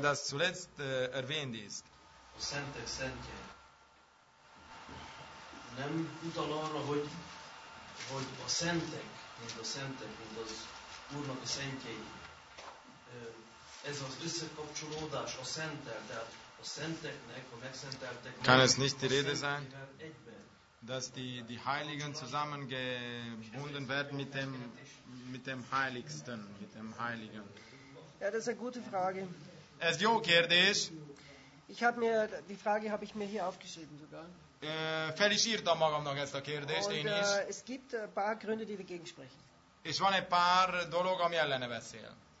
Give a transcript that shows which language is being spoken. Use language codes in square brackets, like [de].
[de] das zuletzt erwähnt ist. [hu] A szentek szentje nem utal arra, hogy a szentek, mint az Úrnak a szentjei, ez az összekapcsolódás a szenttel, tehát a szenteknek, a megszentelteknek. [de] Kann es nicht die Rede sein, dass die Heiligen zusammengebunden werden mit dem Heiligsten, mit dem Heiligen? Ja, das ist eine gute Frage. [hu] Es jó kérdés. [de] Ich habe mir die Frage habe ich mir hier aufgeschrieben sogar. [hu] Fel is írtam magamnak ezt a kérdést, én is. [de] Es gibt ein paar Gründe, die dagegen sprechen. [hu] És van egy pár dolog, ami ellene beszél.